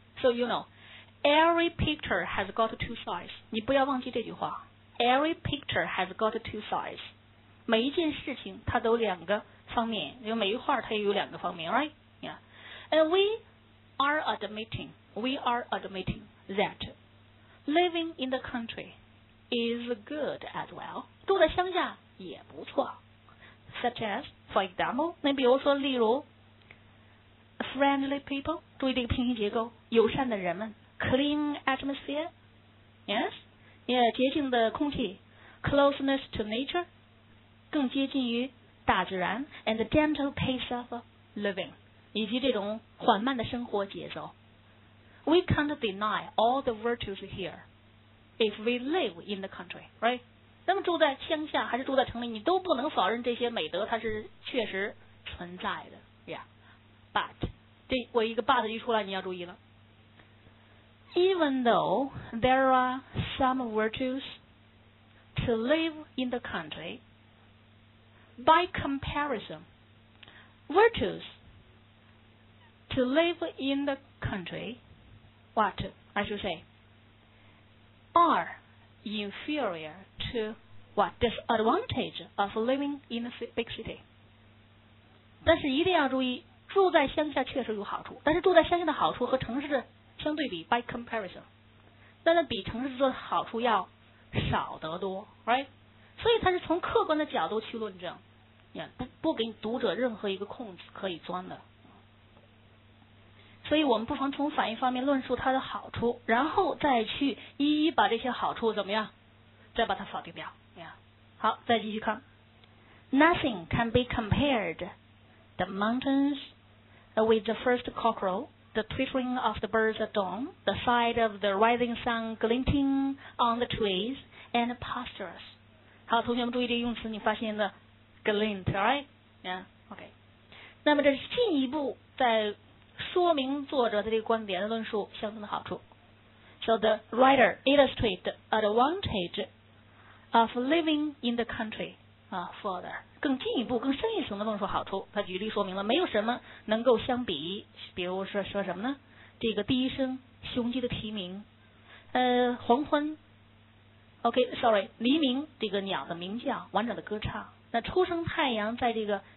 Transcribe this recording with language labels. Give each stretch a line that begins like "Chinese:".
English: So you know, every picture has got two sides.
Chinese: 你不要忘记这句话 ，
English: Every picture has got two sides.
Chinese: 每一件事情它都有两个方面，就每一画它也有两个方面 ，Right?
English: Yeah. And we are admitting that living in the country is good as well.
Chinese: 住在乡下也不错。
English: Such as, for example,
Chinese: 那比如说例如
English: friendly people,
Chinese: 注意这个平行结构友善的人们
English: clean atmosphere, yes, yeah,
Chinese: 洁净的空气
English: closeness to nature,
Chinese: 更接近于大自然
English: and the gentle pace of living,
Chinese: 以及这种缓慢的生活节奏
English: We can't deny all the virtues here if we live in the country, right?
Chinese: 那么住在乡下还是住在城里，你都不能否认这些美德它是确实存在的 ，Yeah. But 这我一个 but 一出来，你要注意了。
English: Even though there are some virtues to live in the country, by comparison, virtues to live in the country, what I should say, are inferior. To what disadvantage of living in a big city?
Chinese: 但是一定要注意，住在乡下确实有好处，但是住在乡下的好处和城市的相对比
English: by comparison，
Chinese: 但是比城市的好处要少得多 ，right？所以它是从客观的角度去论证，也不给读者任何一个空子可以钻的。所以我们不妨从反义方面论述它的好处，然后再去一一把这些好处怎么样？再把它否定掉 ，Yeah. 好，再继续看。
English: Nothing can be compared the mountains with the first cockerel, the twittering of the birds at dawn, the sight of the rising sun glinting on the trees, and pastures.
Chinese: 好，同学们注意这个用词，你发现的 glint, right? Yeah. Okay. 那么这是进一步在说明作者的这个观点的论述乡村的好处。
English: So the writer illustrates the advantage of living in the country further.
Chinese: 更进一步更深一层的论述好处他举例说明了没有什么能够相比比如说什么呢这个第一声雄鸡的啼鸣黄昏 黎明这个鸟的鸣叫完整的歌唱那初升太阳在这个